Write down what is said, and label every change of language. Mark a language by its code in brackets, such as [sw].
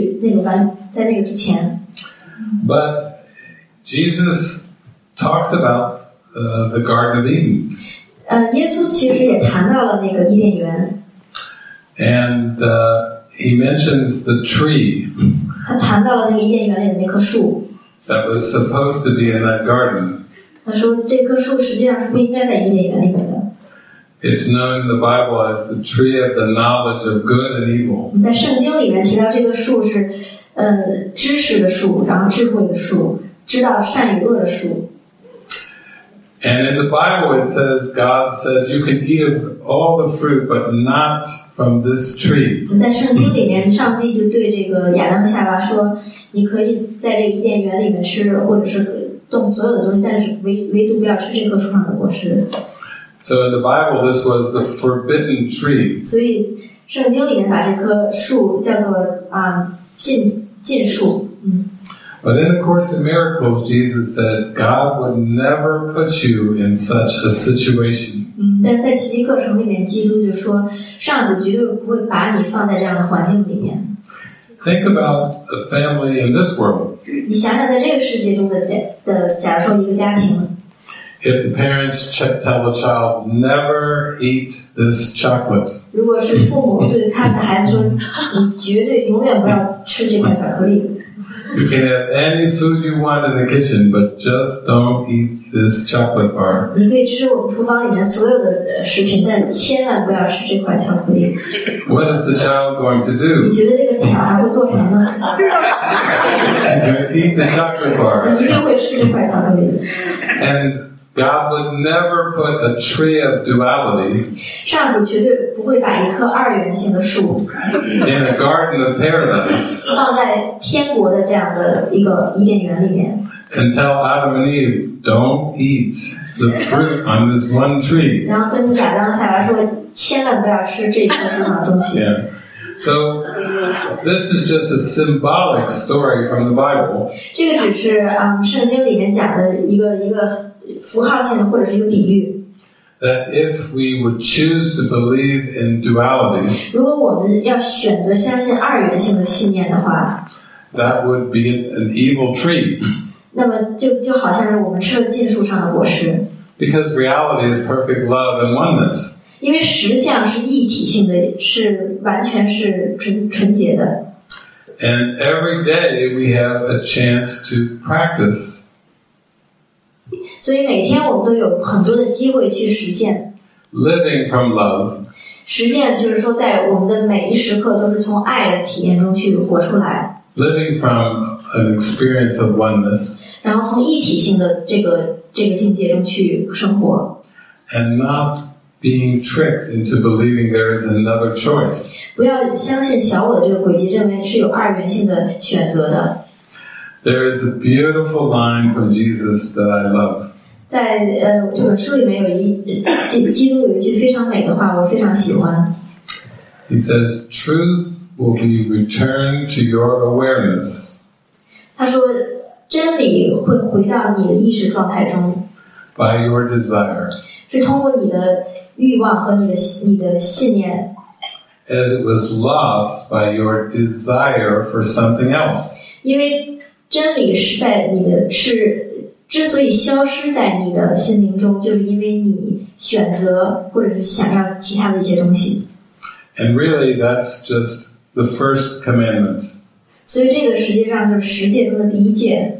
[zh] 确实是这样的，因为我们现在要回到的状态是处于亚当夏娃被驱逐出去那个班，在那个之前。 [en] But Jesus talks about the Garden of Eden. [zh] 耶稣其实也谈到了那个伊甸园。 [en] And he mentions the tree that was supposed to be in that garden. It's known in the Bible as the tree of the knowledge of good and evil. And And in the Bible it says, God said, you can give all the fruit, but not from this tree. [zh] 在圣经里面，上帝就对这个亚当和夏娃说，你可以在这个伊甸园里面吃，或者是动所有的东西，但是唯独不要吃这棵树上的果实。 [en] So in the Bible, this was the forbidden tree. [zh] 所以圣经里面把这棵树叫做禁树。 [en] But in the Course in Miracles, Jesus said, God would never put you in such a situation. [zh] 但在奇迹课程里面，基督就说，上帝绝对不会把你放在这样的环境里面。 [en] Think about a family in this world. [zh] 你想想在这个世界中的假如说一个家庭。 [en] If the parents tell the child, never eat this chocolate. [zh] 如果是父母对他的孩子说，你绝对永远不要吃这块巧克力。 [en] You can have any food you want in the kitchen, but just don't eat this chocolate bar. [zh] 你可以吃我们厨房里面所有的食品，但千万不要吃这块巧克力。 [en] What is the child going to do? [zh] 你觉得这个小孩会做什么呢？不知道。 [en] You'll eat the chocolate bar. [zh] 你一定会吃这块巧克力。 [en] And God would never put a tree of duality. [zh] 上主绝对不会把一棵二元性的树 [en] in a garden of paradise. [zh] 放在天国的这样的一个伊甸园里面 [en] and tell Adam and Eve, don't eat the fruit on this one tree. [zh] 然后跟亚当夏娃说，千万不要吃这棵树上的东西。 [en] So, this is just a symbolic story from the Bible. [zh] 这个只是圣经里面讲的一个符号性的或者是一个比喻。 [en] That if we would choose to believe in duality, [zh] 如果我们要选择相信二元性的信念的话， [en] that would be an evil tree. [zh] 那么就好像是我们吃了禁树上的果实。 [en] Because reality is perfect love and oneness. [zh] 因为实相是一体性的，是完全是纯洁的。 [en] And every day we have a chance to practice. [zh] 所以每天我们都有很多的机会去实践。 [en] Living from love. [zh] 实践就是说在我们的每一时刻都是从爱的体验中去活出来。 [en] Living from an experience of oneness. [zh] 然后从一体性的这个境界中去生活。 [en] And not being tricked into believing there is another choice. [zh] 不要相信小我的这个轨迹，认为是有二元性的选择的。 [en] There is a beautiful line from Jesus that I love. [zh] 在这本书里面有基督有一句非常美的话，我非常喜欢。 [en] He says, "Truth will be returned to your awareness." [zh] 他说，真理会回到你的意识状态中。 [en] By your desire. [zh] 是通过你的欲望和你的信念。 [en] As it was lost by your desire for something else. [zh] 因为真理是在你的是之所以消失在你的心灵中，就是因为你选择或者是想要其他的一些东西。 [en] And really, that's just the first commandment. [zh] 所以这个实际上就是十诫中的第一诫。